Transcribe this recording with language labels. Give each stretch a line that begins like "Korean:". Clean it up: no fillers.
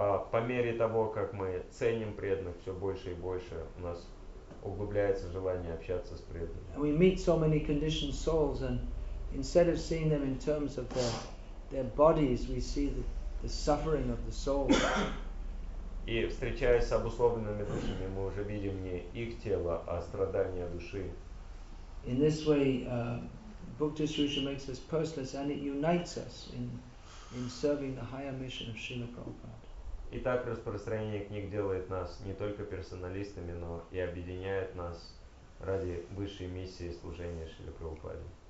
Russian: По мере того, как мы ценим преданных все больше и больше, у нас углубляется желание общаться с преданными.
English: And we meet so many conditioned souls, and instead of seeing them in terms of their bodies, we see the suffering of the soul.
Russian: И встречаясь с обусловленными душами, мы уже видим не их тело, а страдания души.
English: In this way, Book Distribution makes us purposeless, and it unites us in serving the higher mission of Srila Prabhupada.
Russian: И так распространение книг делает нас не только персоналистами, но и объединяет нас ради высшей миссии служения Шрила Прабхупаде.